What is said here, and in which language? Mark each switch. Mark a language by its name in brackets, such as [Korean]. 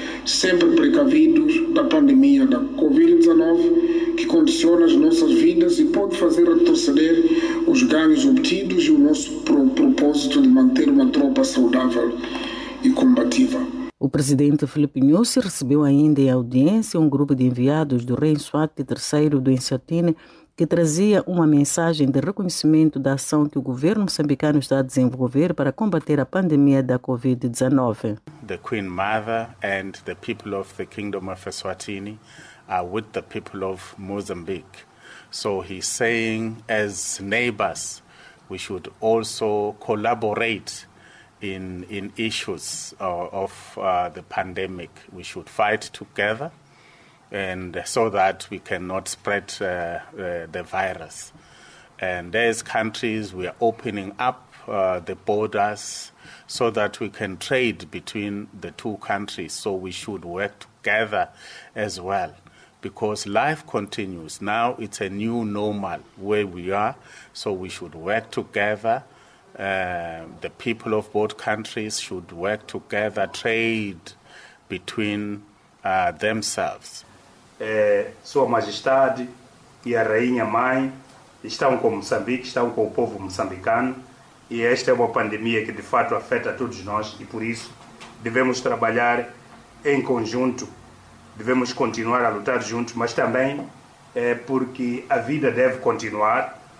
[Portuguese] sempre precavidos da pandemia da Covid-19, que condiciona as nossas vidas e pode fazer retroceder os ganhos obtidos e o nosso propósito de manter uma tropa saudável e combativa. O presidente Filipe Nyusi recebeu ainda em audiência um grupo de enviados do Rei Swati III do Eswatini, que trazia uma mensagem de reconhecimento da ação que o governo moçambicano está a desenvolver para combater a pandemia da Covid-19. [English] The Queen Mother and the people of the Kingdom of Eswatini are with the people of Mozambique. So he's saying, as neighbors, we should also collaborate in issues of the pandemic. We should fight together, and so that we cannot spread the virus. And as countries, we are opening up the borders so that we can trade between the two countries. So we should work together as well, because life continues. Now it's a new normal where we are, so we should work together. The people of both countries should work together, trade between themselves. [Portuguese] Sua Majestade e a Rainha Mãe estão com Moçambique, estão com o povo moçambicano, e esta é uma pandemia que de fato afeta todos nós, e por isso devemos trabalhar em conjunto, devemos continuar a lutar juntos, mas também porque a vida deve continuar.